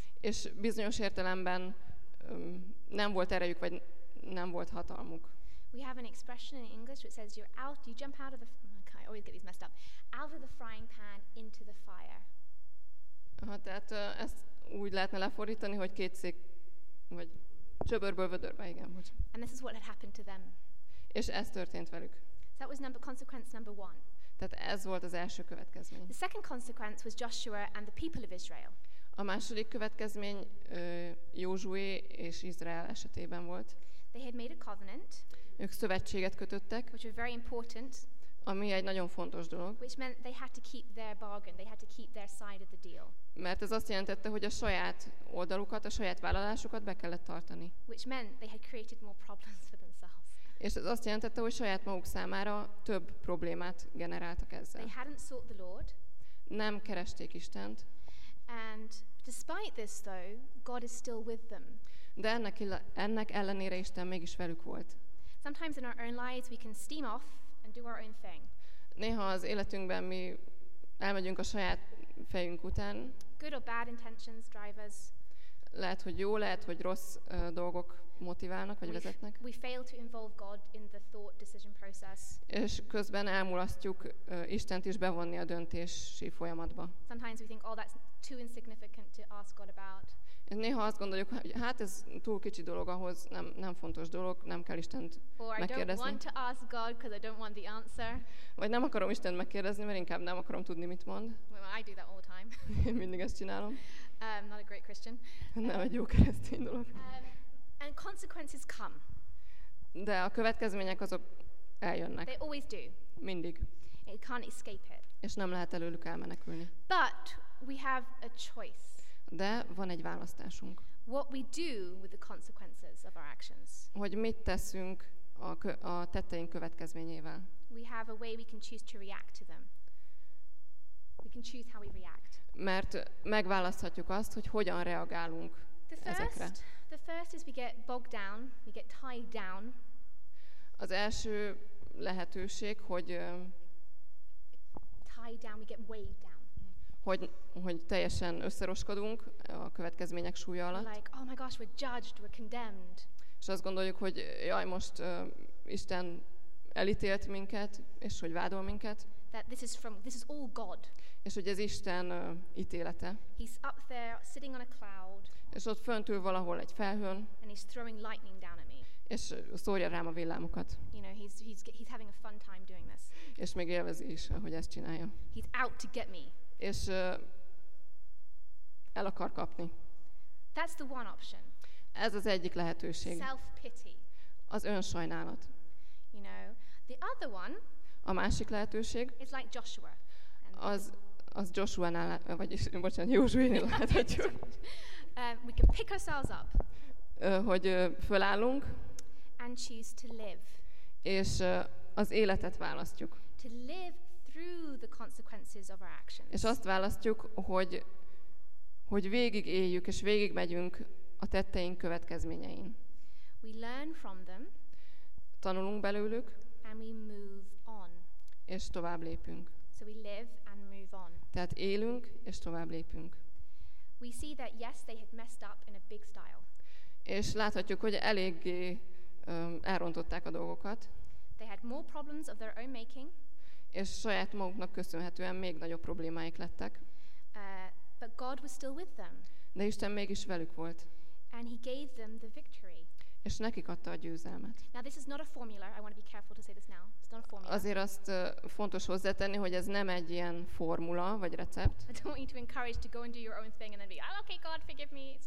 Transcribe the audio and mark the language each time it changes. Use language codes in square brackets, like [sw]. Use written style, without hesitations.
[hu] És bizonyos értelemben nem volt erejük, vagy nem volt hatalmuk. [en] We have an expression in English which says you're out, you jump out of the I always get these messed up. Out of the frying pan into the fire. [hu] Aha, tehát ezt úgy lehetne lefordítani, hogy két szék, vagy csöbörből vödörbe, igen. Hogy. [en] And this is what had happened to them. [hu] És ez történt velük. [en] So that was number, consequence number one. [hu] Tehát ez volt az első következmény. [en] The second consequence was Joshua and the people of Israel. [hu] A második következmény Józsué és Izrael esetében volt. [en] They had made a covenant, [hu] ők szövetséget kötöttek, [en] which were very important, [hu] ami egy nagyon fontos dolog. [en] Which meant they had to keep their bargain, they had to keep their side of the deal. [hu] Mert ez azt jelentette, hogy a saját oldalukat, a saját vállalásukat be kellett tartani. [en] Which meant they had created more problems for themselves. [hu] És ez azt jelentette, hogy saját maguk számára több problémát generáltak ezzel. [en] They hadn't sought the Lord. [hu] Nem keresték Istent. [en] And despite this though, God is still with them. [hu] De ennek ellenére Isten mégis velük volt. [en] Sometimes in our own lives we can steam off and do our own thing. [hu] Néha az életünkben mi elmegyünk a saját fejünk után. [en] Good or bad intentions drive us. [hu] Lehet, hogy jó, lehet, hogy rossz dolgok motiválnak vagy vezetnek. [en] We fail to involve God in the thought decision process. [hu] És közben elmulasztjuk Istent is bevonni a döntési folyamatba. [en] Sometimes we think, oh, that's too insignificant to ask God about. [hu] És néha azt gondoljuk, hogy hát ez túl kicsi dolog ahhoz, nem fontos dolog, nem kell Istent megkérdezni. [en] Or I don't want to ask God because I don't want the answer. [hu] Vagy nem akarom Istent megkérdezni, mert inkább nem akarom tudni, mit mond. [en] Well, I do that all the time. [hu] Én mindig ezt csinálom. [en] I'm not a great Christian. [hu] Nem egy jó keresztény dolog. [en] And consequences come. [hu] De a következmények azok eljönnek. [en] They always do. [hu] Mindig. [en] It can't escape it. [hu] És nem lehet előlük elmenekülni. [en] But we have a choice. [hu] De van egy választásunk. [en] What we do with the consequences of our actions. [hu] Hogy mit teszünk a tetteink következményével. [en] We have a way we can choose to react to them. We can choose how we react. [hu] Mert megválaszthatjuk azt, hogy hogyan reagálunk ezekre. [en] The first is we get bogged down, we get tied down. [hu] Az első lehetőség, hogy [en] tied down, we get weighed down. [hu] hogy teljesen összeroskodunk a következmények súlya alatt. [en] Like, oh my gosh, we're judged, we're condemned. [hu] És azt gondoljuk, hogy jaj, most Isten elítélt minket, és hogy vádol minket. [en] That this is all God. [hu] És hogy ez Isten ítélete. [en] He's up there, sitting on a cloud. [hu] És ott föntül valahol egy felhőn. [en] And he's throwing lightning down at me. [hu] És szórja rám a villámokat. [en] You know, he's having a fun time doing this. [hu] És még élvezi is, ahogy ezt csinálja. [en] He's out to get me. [hu] És el akar kapni. [en] That's the one option. [hu] Ez az egyik lehetőség. [en] Self-pity. [hu] Az önsajnálat. [en] You know, the other one. [hu] A másik lehetőség. [en] Is like Joshua. [hu] Az Joshua-nál, vagyis bocsánat, Józsué-nél láthatjuk. [en] We can pick ourselves up. [hu] Hogy fölállunk. [en] And choose to live. [hu] És az életet választjuk. [en] To live through the consequences of our actions. [hu] És azt választjuk, hogy végig éljük és végig megyünk a tetteink következményein. [en] We learn from them. [hu] Tanulunk belőlük. [en] And we move on. [hu] És tovább lépünk. [en] So we live and move on. [hu] Tehát élünk és tovább lépünk. [en] We see that yes, they had messed up in a big style. [hu] És láthatjuk, hogy eléggé elrontották a dolgokat. [en] They had more problems of their own making. [hu] És saját maguknak köszönhetően még nagyobb problémáik lettek. [en] But God was still with them. [hu] De Isten mégis velük volt. [en] And he gave them the victory. [hu] És nekik adta a győzelmet. [en] Now this is not a formula. I want to be careful to say this now. It's not a formula. [hu] Azért azt fontos hozzátenni, hogy ez nem egy ilyen formula vagy recept. [en] I don't want you to encourage to go and do your own thing and then be, oh, okay, God, forgive me.